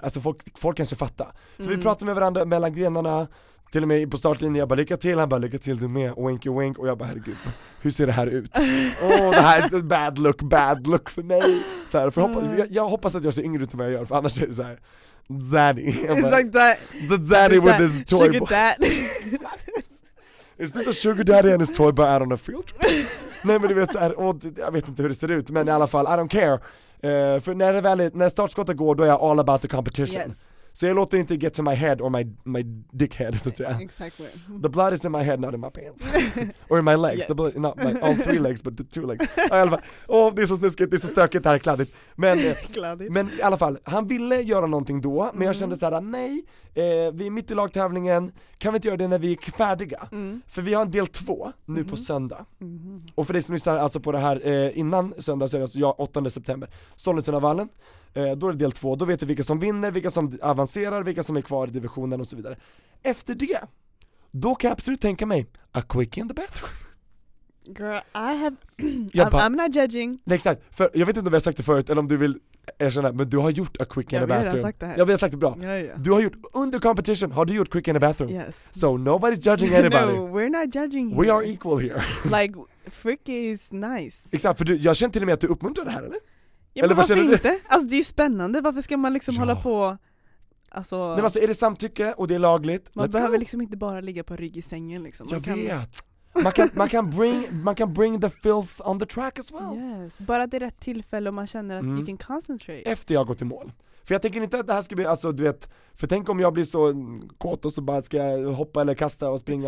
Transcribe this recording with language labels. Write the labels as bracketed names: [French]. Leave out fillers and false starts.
[Swedish] Alltså folk kanske fattar. För vi pratar med varandra mellan grenarna. Till och med på startlinjen, jag bara lycka till, han bara lycka till, du med, winky wink. Och jag bara, herregud, hur ser det här ut? Åh, det här är ett bad look för mig. Så här, för jag hoppas att jag ser yngre ut än vad jag gör, för annars är det så här, zaddy. [English] Like the zaddy with his toy sugar dad. Is this a sugar daddy and his toy boy out on a field trip? [Swedish] Nej, men det är så här, jag vet inte hur det ser ut, men i alla fall, [English] I don't care. [Swedish] För när startskottet går, då är jag [English] all about the competition. Yes. [Swedish] Så jag låter inte [English] get to my head or my dick head, [Swedish] så att säga. [English] Exactly. The blood is in my head, not in my pants. Or in my legs. Yes. The blood, not like all three legs, but the two legs. [Swedish] Det är så snuskigt, det är så stökigt, det här är kladdigt. Men i alla fall, han ville göra någonting då, men jag kände så här, nej, vi är mitt i lagtävlingen. Kan vi inte göra det när vi är färdiga? Mm. För vi har en del 2 nu på söndag. Mm. Och för dig som lyssnar alltså på det här innan söndag, så är det alltså 8 september. Sollentunavallen. Då är det del 2. Då vet du vilka som vinner, vilka som avancerar, vilka som är kvar i divisionen och så vidare. Efter det, då kan jag absolut tänka mig [English] a quick in the bathroom. Girl, I'm not judging. [Swedish] Nej, exakt. För jag vet inte om jag har sagt det förut eller om du vill erkänna, men du har gjort [English] a quick in the bathroom. [Swedish] Jag har sagt det bra. Ja, ja. Du har gjort, [English] under competition, [Swedish] har du gjort [English] quick in the bathroom? Yes. So nobody's judging anybody. No, we're not judging here. We are equal here. Like, freaky is nice. [Swedish] Exakt, för jag känner till och med att du uppmuntrar det här, eller? Ja, eller varför inte? Alltså det är ju spännande. Varför ska man liksom hålla på? Alltså, nej, alltså är det samtycke och det är lagligt? Man [English] Let's [Swedish] behöver [English] go. [Swedish] Liksom inte bara ligga på rygg i sängen. Liksom. Jag vet. Man kan [English] bring the filth on the track as well. Yes. [Swedish] Bara det är rätt tillfälle och man känner att [English] you can concentrate. [Swedish] Efter jag gått i mål. För jag tänker inte att det här ska bli, alltså du vet, för tänk om jag blir så kåt och så bara ska jag hoppa eller kasta och springa.